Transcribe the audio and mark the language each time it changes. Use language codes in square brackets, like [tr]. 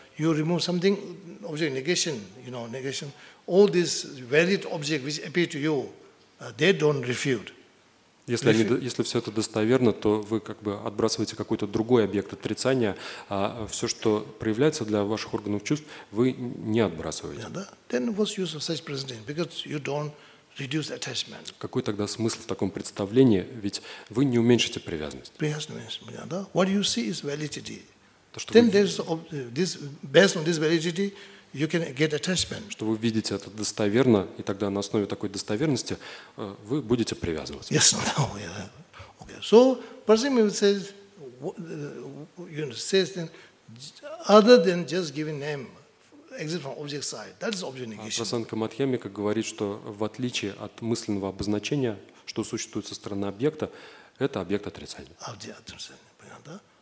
[en] You remove something, object negation, you know, negation. All these valid objects which appear to you, they don't refute. [ru] Если, они, если все это достоверно, то вы как бы отбрасываете какой-то другой объект отрицания, а все, что проявляется для ваших органов чувств, вы не отбрасываете. [en] Then what's use of such presentation? Because you don't reduce attachment. [ru] Какой тогда смысл в таком представлении? Ведь вы не уменьшите привязанность. [en] What you see is validity. Then there's this based on this validity. You can get attachment. [ru] Что вы видите это достоверно, и тогда на основе такой достоверности вы будете привязываться. [en] Yes, no, yeah. Okay. So, Parsimian says, you know, says then, other than just giving name, exit from object side, that is object negation. [ru] Прасанка Мадхьямика говорит, что в отличие от мысленного обозначения, что существует со стороны объекта, это объект отрицания. Object отрицания, понятно?